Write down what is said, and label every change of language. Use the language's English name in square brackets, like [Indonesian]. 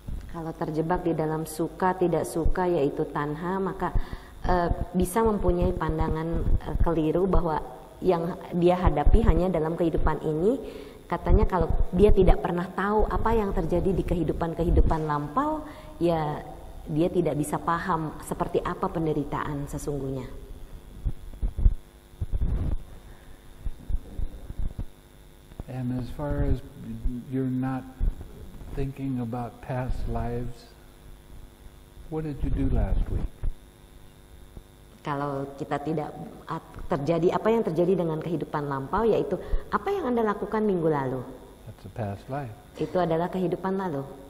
[Indonesian] Kalau terjebak di dalam suka tidak suka yaitu tanha, maka bisa mempunyai pandangan keliru bahwa yang dia hadapi hanya dalam kehidupan ini. Katanya kalau dia tidak pernah tahu apa yang terjadi di kehidupan-kehidupan lampau, ya dia tidak bisa paham seperti apa penderitaan sesungguhnya. [English] And as far as you're not thinking about past lives, what did you do last week? [Indonesian] Kalau kita tidak terjadi apa yang terjadi dengan kehidupan lampau, yaitu apa yang Anda lakukan minggu lalu? [English] That's a past life. [Indonesian] Itu adalah kehidupan lalu.